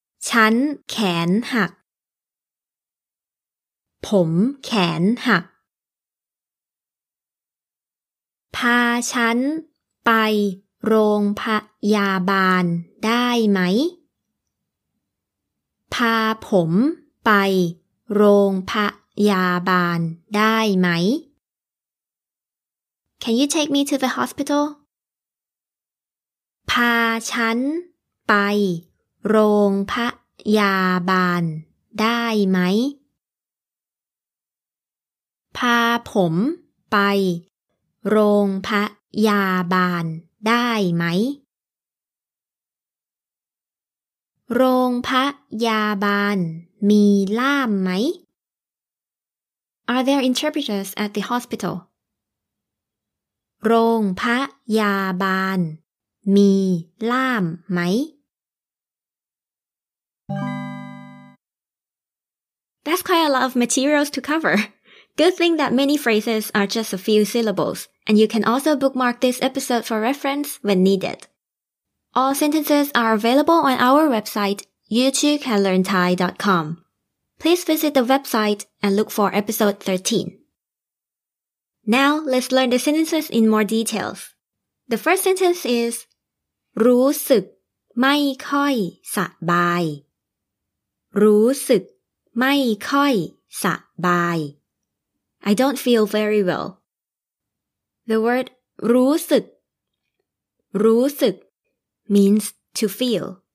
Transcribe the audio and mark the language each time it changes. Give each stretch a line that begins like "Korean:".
Thai: ฉันแขนหักผมแขนหักพาฉันไปโรงพยาบาลได้ไหมพาผมไปโรงพยาบาลได้ไหม
English: Can you take me to the hospital?
Thai: พาฉันไปโรงพยาบาลได้ไหมพาผมไปโรงพยาบาลได้ไหมโรงพยาบาลมีล่ามไหม
English: Are there interpreters at the hospital?
Thai: โรงพยาบาลมีล่ามไหม
English: That's quite a lot of materials to cover. Good thing that many phrases are just a few syllables, and you can also bookmark this episode for reference when needed. All sentences are available on our website, youtubecanlearnthai.com. Please visit the website and look for episode 13. Now, let's learn the sentences in more details. The first sentence is,
Thai: รู้สึกไม่ค่อยสบาย รู้สึกไม่ค่อยสบาย
English: I don't feel very well. The word รู้สึก รู้สึก means to feel.